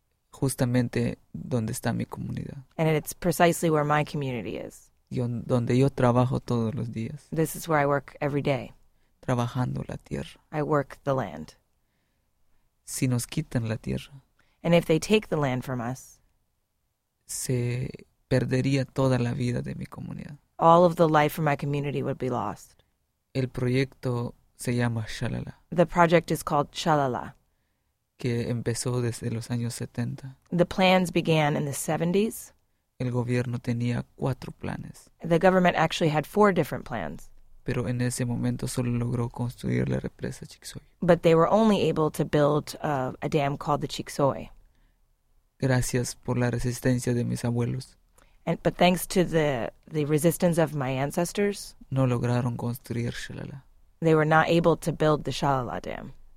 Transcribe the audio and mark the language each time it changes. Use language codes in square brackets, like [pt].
[es] Justamente donde está mi comunidad. [en] And it's precisely where my community is. [es] Y donde yo trabajo todos los días. [en] This is where I work every day. [es] Trabajando la tierra. [en] I work the land. [es] Si nos quitan la tierra. [en] And if they take the land from us, [es] se perdería toda la vida de mi comunidad. [en] All of the life from my community would be lost. [es] El proyecto se llama Shalala. [en] The project is called Shalala. [es] Que empezó desde los años 70. [en] The plans began in the 70s. [es] El gobierno tenía cuatro planes. [en] The government actually had four different plans. [es] Pero en ese momento solo logró construir la represa Chixoy. [en] But they were only able to build a dam called the Chixoy. [es] Gracias por la resistencia de mis abuelos. [en] But thanks to the resistance of my ancestors. [es] No lograron construir Shalala. [en] They were not able to build the Shalala Dam.